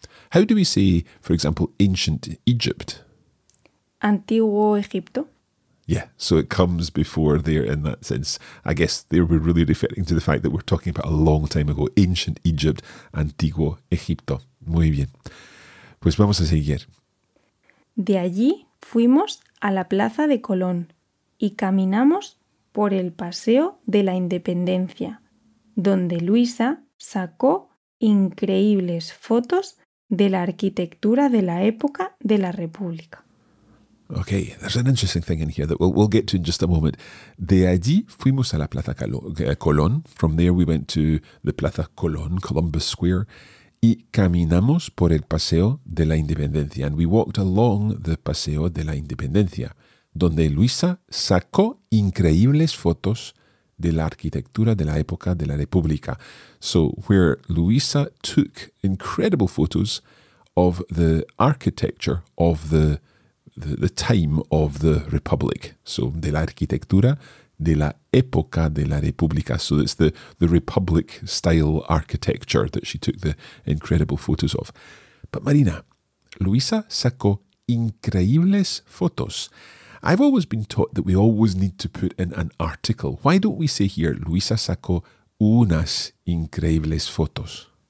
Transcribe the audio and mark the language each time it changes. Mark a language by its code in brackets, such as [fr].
[en] How do we say, for example, ancient Egypt? [es] Antiguo Egipto. [en] Yeah, so it comes before there in that sense. I guess they were really referring to the fact that we're talking about a long time ago, ancient Egypt, [es] antiguo Egipto. Muy bien. Pues vamos a seguir. De allí fuimos a la Plaza de Colón y caminamos por el Paseo de la Independencia, donde Luisa sacó increíbles fotos de la arquitectura de la época de la República. [en] Okay, there's an interesting thing in here that we'll get to in just a moment. [es] De allí fuimos a la Plaza Colón. [en] From there we went to the Plaza Colón, Columbus Square. [es] Y caminamos por el Paseo de la Independencia. [en] And we walked along the Paseo de la Independencia, [es] donde Luisa sacó increíbles fotos de la arquitectura de la época de la República. [en] So, where Luisa took incredible photos of the architecture of the time of the Republic. [es] So, de la arquitectura de la época de la República. [en] So it's the Republic-style architecture that she took the incredible photos of. [es] But Marina, Luisa sacó increíbles fotos. [en] I've always been taught that we always need to put in an article. Why don't we say here, [es] Luisa sacó unas increíbles fotos?